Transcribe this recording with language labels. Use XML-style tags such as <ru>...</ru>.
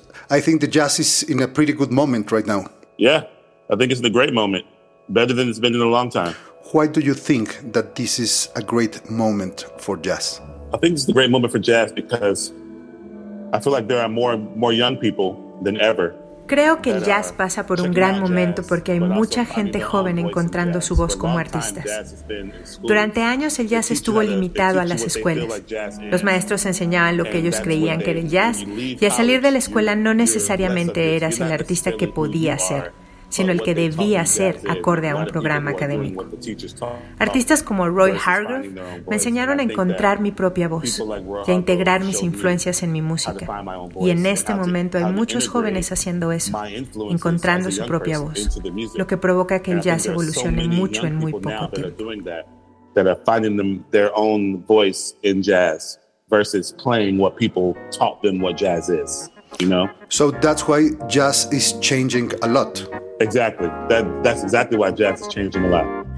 <en>I think the jazz is in a pretty good moment right now. Yeah, I think it's in a great moment. Better than it's been in a long time. Why do you think that this is a great moment for jazz? I think it's a great moment for jazz because I feel like there are more young people than ever.</en> <es>Creo que el jazz pasa por un gran momento porque hay mucha gente joven encontrando su voz como artistas. Durante años el jazz estuvo limitado a las escuelas. Los maestros enseñaban lo que ellos creían que era el jazz y al salir de la escuela no necesariamente eras el artista que podía ser, sino el que debía ser acorde a un programa académico. Artistas como Roy Hargrove me enseñaron a encontrar mi propia voz y a integrar mis influencias en mi música. Y en este momento hay muchos jóvenes haciendo eso, encontrando su propia voz, lo que provoca que el jazz evolucione mucho en muy poco tiempo.</es> <en>That are finding their own voice in jazz versus playing what people taught them what jazz is, you know? So that's why jazz is changing a lot. Exactly. That's exactly why jazz is changing a lot.</en>